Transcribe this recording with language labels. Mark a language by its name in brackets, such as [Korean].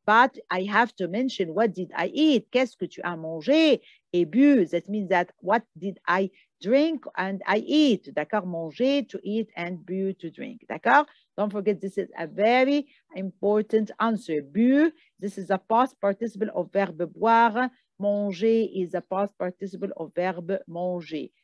[English] But I have to mention, what did I eat? [French] Qu'est-ce que tu as mangé et bu? [English] That means that, what did I drink and I eat? [French] D'accord? [English] Manger, to eat and bu, to drink. [French] D'accord? [English] Don't forget, this is a very important answer. Bu, this is a past participle of verb boire. Manger is a past participle of verb manger.